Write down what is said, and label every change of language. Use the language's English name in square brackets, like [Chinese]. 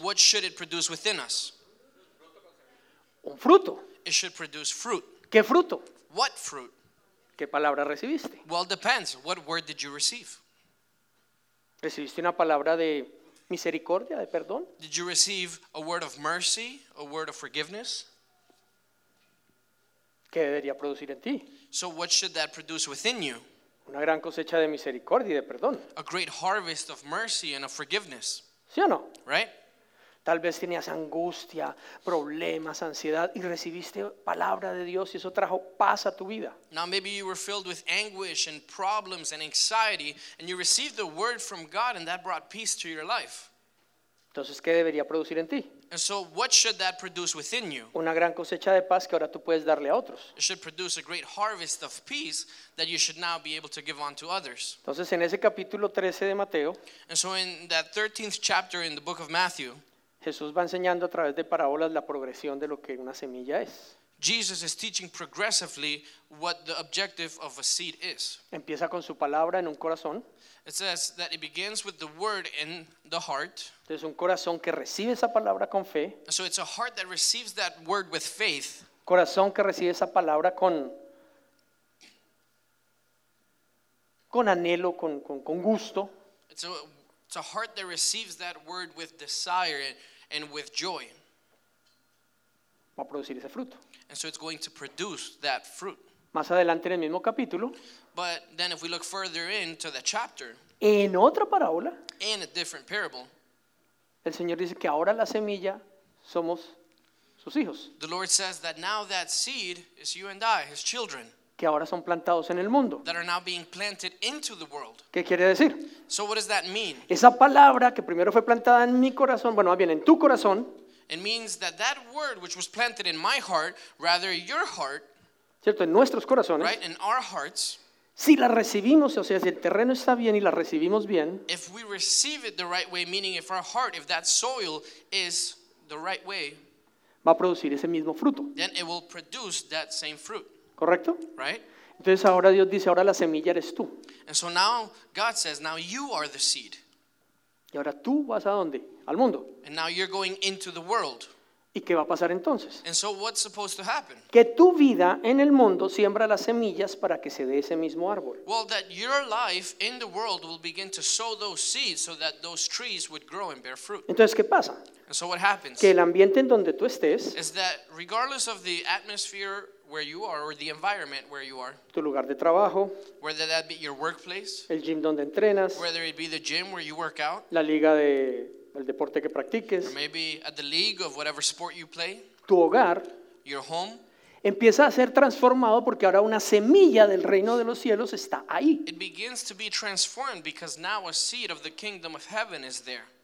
[English] What should it produce within us? [Spanish] Un fruto. [English] It should produce fruit. [Spanish] ¿Qué fruto? [English] What fruit? [Spanish] ¿Qué palabra recibiste? [English] Well, depends. What word did you receive? [Spanish] ¿Recibiste una palabra de misericordia, de perdón? [English] Did you receive a word of mercy, a word of forgiveness? [Spanish] ¿Qué debería producir en ti? [English] So what should that produce within you? [Spanish] Una gran cosecha de misericordia y de perdón. [English] A great harvest of mercy and of forgiveness. [Spanish] ¿Sí o no? [English] Right? [Spanish] Tal vez tenías angustia, problemas, ansiedad y recibiste palabra de Dios y eso trajo paz a tu vida. [English] Now maybe you were filled with anguish and problems and anxiety and you received the word from God and that brought peace to your life. [Spanish] Entonces, ¿qué debería producir en ti? [English] And so what should that produce within you? [Spanish] Una gran cosecha de paz que ahora tú puedes darle a otros. [English] It should produce a great harvest of peace that you should now be able to give on to others. [Spanish] Entonces, en ese capítulo 13 de Mateo, [English] and so in that 13th chapter in the book of Matthew, [Spanish] Jesús va enseñando a través de parábolas la progresión de lo que una semilla es. [English] Jesus is teaching progressively what the objective of a seed is. [Spanish] Empieza con su palabra en un corazón. [English] It says that it begins with the word in the heart. [Spanish] Es un corazón que recibe esa palabra con fe. [English] So it's a heart that receives that word with faith. [Spanish] Corazón que recibe esa palabra con anhelo, con gusto. [English] It's a heart that receives that word with desire and with joy. [Spanish] Va a producir ese fruto. [English] And so it's going to produce that fruit. [Spanish] Más adelante en el mismo capítulo. [English] But then if we look further into the chapter. [Spanish] En otra parábola. [English] In a different parable. [Spanish] El Señor dice que ahora la semilla somos sus hijos. [English] The Lord says that now that seed is you and I, his children. [Spanish] Que ahora son plantados en el mundo. [English] That are now being planted into the world. [Spanish] ¿Qué quiere decir? [English] So what does that mean? [Spanish] Esa palabra que primero fue plantada en mi corazón, bueno, más bien en tu corazón. [English] It means that that word which was planted in my heart, rather your heart, [Spanish] cierto, en nuestros corazones, [English] right, in our hearts, [Spanish] si la recibimos, o sea, si el terreno está bien y la recibimos bien, [English] if we receive it the right way, meaning if our heart, if that soil is the right way, [Spanish] va a producir ese mismo fruto. [English] Then it will produce that same fruit. [Spanish] ¿Correcto? [English] Right? [Spanish] Entonces ahora Dios dice, ahora la semilla eres tú. [English] And so now God says, now you are the seed. [Spanish] ¿Y ahora tú vas a dónde? Al mundo. [English] And now you're going into the world. [Spanish] ¿Y qué va a pasar entonces? [English] And so what's supposed to happen? [Spanish] Que tu vida en el mundo siembra las semillas para que se dé ese mismo árbol. [English] Well, that your life in the world will begin to sow those seeds so that those trees would grow and bear fruit. [Spanish] Entonces, ¿qué pasa? [English] And so what happens? [Spanish] Que el ambiente en donde tú estés, [English] is that regardless of the atmosphere where you are or the environment where you are, [Spanish] tu lugar de trabajo, [English] whether that be your workplace, [Spanish] el gym donde entrenas, [English] whether it be the gym where you work out, [Spanish] la liga de el deporte que practiques, [English] or maybe at the league of whatever sport you play, [Spanish] tu hogar, [English] your home, [Spanish] empieza a ser transformado porque ahora una semilla del reino de los cielos está ahí. [English] It begins to be transformed because now a seed of the kingdom of heaven is there.